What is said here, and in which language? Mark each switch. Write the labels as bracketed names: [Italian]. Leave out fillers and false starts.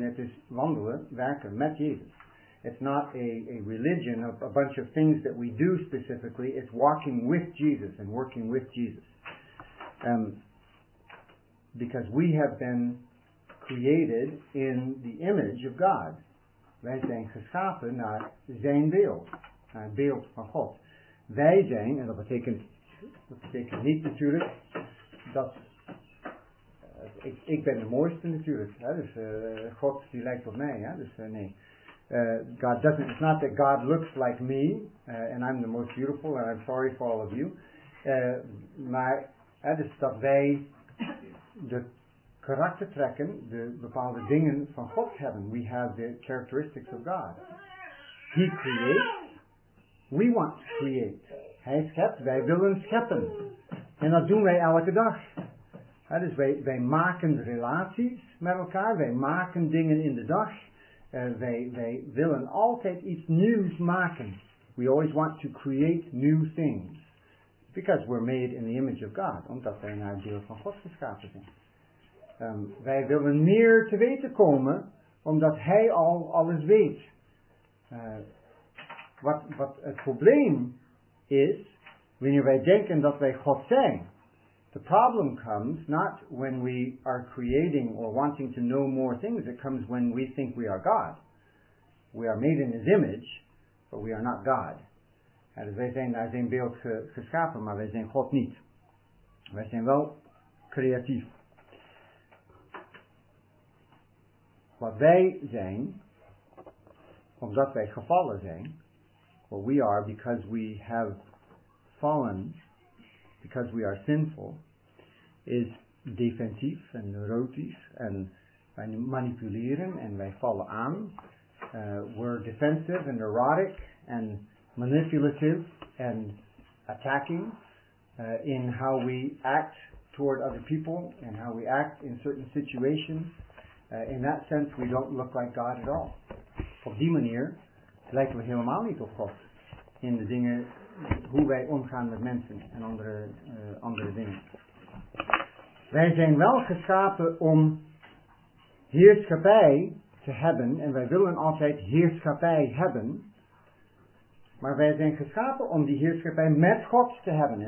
[Dutch] Het is wandelen, werken met Jezus. [English] It's not a religion of a bunch of things that we do specifically. It's walking with Jesus and working with Jesus. Because we have been created in the image of God. [Dutch] Wij zijn geschapen naar zijn beeld. Naar het beeld van God. Wij zijn, en dat betekent niet natuurlijk, dat ik ben de mooiste natuurlijk. Hè? Dus God die lijkt op mij. Hè? Dus nee. [English] God doesn't, it's not that God looks like me, and I'm the most beautiful, and I'm sorry for all of you. [Dutch] Maar het is dat wij de karakter trekken, de bepaalde dingen van God hebben. [English] We have the characteristics of God. He creates, we want to create. [Dutch] Hij schept, wij willen scheppen. En dat doen wij elke dag. Het is wij maken relaties met elkaar, wij maken dingen in de dag. Wij willen altijd iets nieuws maken. [English] We always want to create new things. Because we're made in the image of God. [Dutch] Omdat wij naar het beeld van God geschapen zijn. Wij willen meer te weten komen. Omdat Hij al alles weet. Wat het probleem is. Wanneer wij denken dat wij God zijn. [English] The problem comes not when we are creating or wanting to know more things. It comes when we think we are God. We are made in His image, but we are not God. [Dutch] En wij zijn naar zijn beeld geschapen, maar wij zijn God niet. Wij zijn wel creatief. Wat wij zijn, omdat wij gevallen zijn, [English] what we are because we have fallen, because we are sinful, [Dutch] is defensief en neurotisch en wij manipuleren en wij vallen aan. [English] We're defensive and neurotic and manipulative and attacking in how we act toward other people and how we act in certain situations. In that sense, we don't look like God at all. [Dutch] Op die manier lijken we helemaal niet op God in de dingen hoe wij omgaan met mensen en andere dingen. Wij zijn wel geschapen om heerschappij te hebben. En wij willen altijd heerschappij hebben. Maar wij zijn geschapen om die heerschappij met God te hebben.